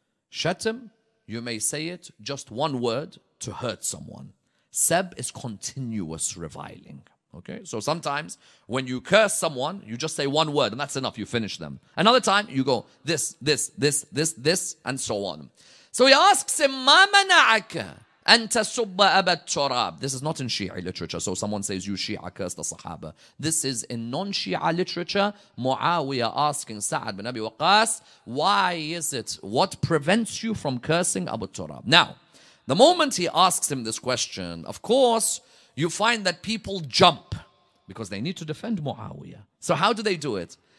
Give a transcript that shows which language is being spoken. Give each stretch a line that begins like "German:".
English: Shatim, you may say it just one word to hurt someone. Sab is continuous reviling. Okay, so sometimes when you curse someone, you just say one word and that's enough. You finish them. Another time you go this, this, this, this, this, and so on. So he asks him,
Arabic: مَا مَنَعَكَ أَن تَسُبَّ أَبَا التُّرَابِ.
English: This is not in Shia literature. So someone says, you Shia cursed the Sahaba. This is in non-Shia literature. Muawiyah asking Sa'ad bin Abi Waqqas, why is it? What prevents you from cursing Abu Turab? Now, the moment he asks him this question, of course, you find that people jump because they need to defend Muawiyah. So how do they do it?